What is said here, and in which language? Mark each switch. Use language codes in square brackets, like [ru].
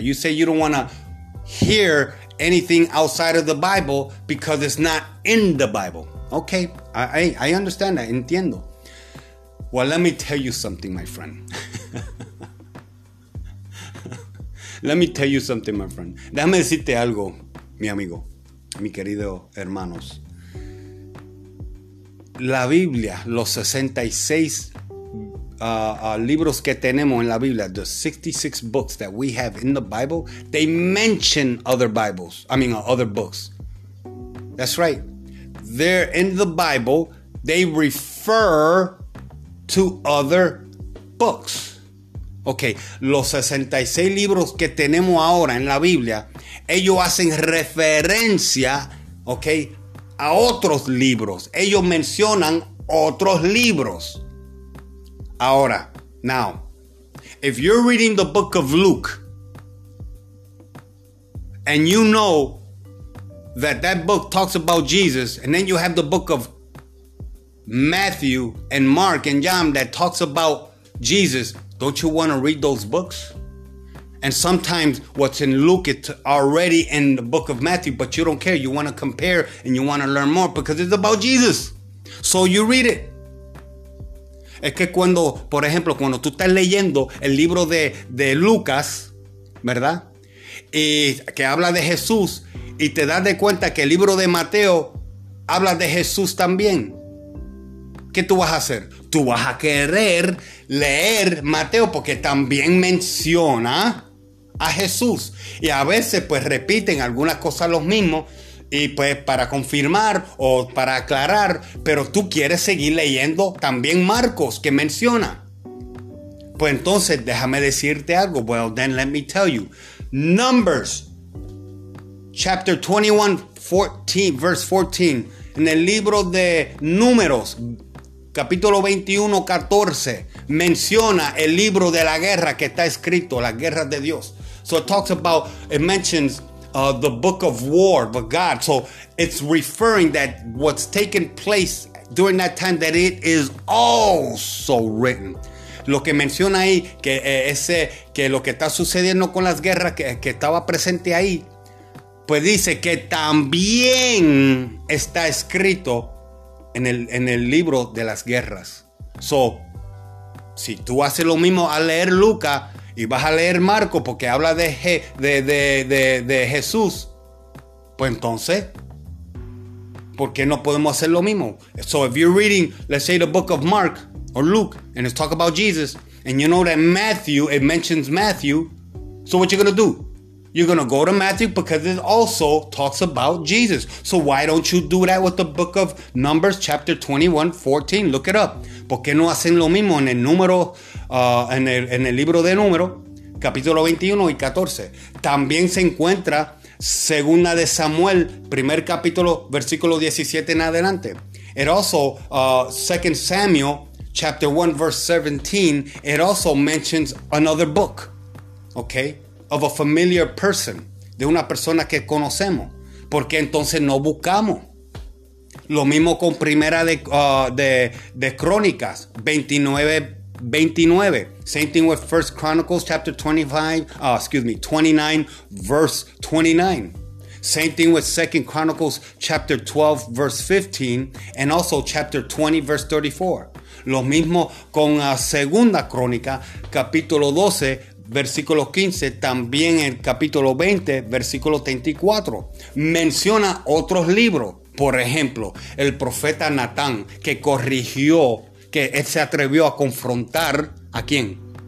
[en] You say you don't want to hear anything outside of the Bible because it's not in the Bible. Okay, I understand that, [es] entiendo. [en] Well, let me tell you something, my friend. Let me tell you something, my friend. [es] Déjame decirte algo, mi amigo, mi querido hermanos. La Biblia, los 66 libros que tenemos en la Biblia, [en] the 66 books that we have in the Bible, they mention other Bibles, I mean other books. That's right. They're in the Bible, they refer to other books. [es] Ok, los 66 libros que tenemos ahora en la Biblia, ellos hacen referencia, ok, a otros libros. Ellos mencionan otros libros. Ahora, [en] now, if you're reading the book of Luke, and you know that that book talks about Jesus, and then you have the book of Matthew and Mark and John that talks about Jesus, don't you want to read those books? And sometimes what's in Luke is already in the book of Matthew, but you don't care. You want to compare and you want to learn more because it's about Jesus. So you read it. [es] Es que cuando, por ejemplo, cuando tú estás leyendo el libro de Lucas, ¿verdad? Y que habla de Jesús y te das de cuenta que el libro de Mateo habla de Jesús también. ¿Qué tú vas a hacer? Tú vas a querer leer Mateo porque también menciona a Jesús. Y a veces pues repiten algunas cosas los mismos y pues para confirmar o para aclarar, pero tú quieres seguir leyendo también Marcos que menciona. Pues entonces déjame decirte algo. [en] Well, then let me tell you. Numbers, chapter 21:14, verse 14, [es] en el libro de Números, capítulo 21, 14, menciona el libro de la guerra que está escrito, la guerra de Dios. [en] So it talks about, it mentions the book of war, but God. So it's referring that what's taking place during that time, that it is also written. [es] Lo que menciona ahí, que ese, que lo que está sucediendo con las guerras que estaba presente ahí, pues dice que también está escrito en el libro de las guerras. So, si tú haces lo mismo al leer Lucas y vas a leer Marco porque habla de Jesús, pues entonces, ¿por qué no podemos hacer lo mismo? [en] So, if you're reading, let's say, the book of Mark or Luke, and it's talk about Jesus, and you know that Matthew, it mentions Matthew, so what you gonna do? You're gonna go to Matthew because it also talks about Jesus. So why don't you do that with the book of Numbers, chapter 21, 14? Look it up. [es] ¿Por qué no hacen lo mismo en el número, en el libro de número, capítulo 21 y 14? También se encuentra segunda de Samuel, primer capítulo, versículo 17 en adelante. [en] It also, 2 Samuel, chapter 1, verse 17, it also mentions another book. Okay? Of a familiar person, [es] de una persona que conocemos, porque entonces no buscamos. Lo mismo con primera de Crónicas 29:29. [en] Same thing with First Chronicles chapter 29:29. Same thing with Second Chronicles chapter 12:15, and also chapter 20:34. [es] Lo mismo con segunda crónica capítulo 12. Versículo 15, también el capítulo 20, versículo 34, menciona otros libros. Por ejemplo, el profeta Natán, que corrigió, que él se atrevió a confrontar, ¿a quién?